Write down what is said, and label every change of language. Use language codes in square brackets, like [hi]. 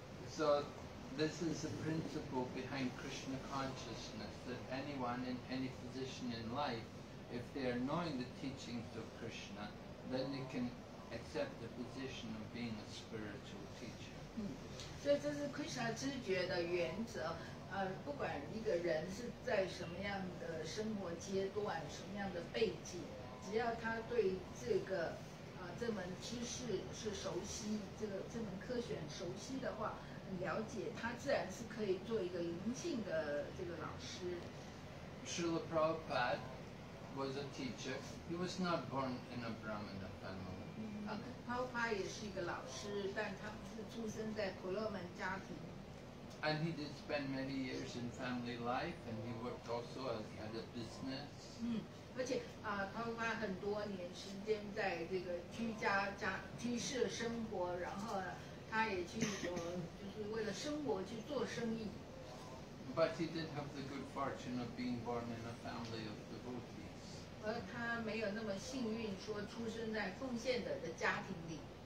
[en] So this is the principle behind Krishna consciousness, that anyone in any position in life, if they are knowing the teachings of Krishna, then they can accept the position of being a spiritual teacher. [zh] 所以这是 Krishna 知觉的原则。不管一个人是在什么样的生活阶段、什么样的背景，只要他对这个这门知识是熟悉，这门科学熟悉的话，很了解，他自然是可以做一个灵性的这个老师。 [en] Srila Prabhupada was a teacher. He was not born in a Brahmana family. [zh] Prabhupada 也是一个老师，但他不是出生在婆罗门家庭。 [en] And he did spend many years in family life, and he worked also as he had a business. [zh] 而且他花很多年时间在这个居室生活，然后他也去就是为了生活去做生意。 [en] But he did have the good fortune of being born in a family of devotees. [zh] 而他没有那么幸运，说出生在奉献者的家庭里。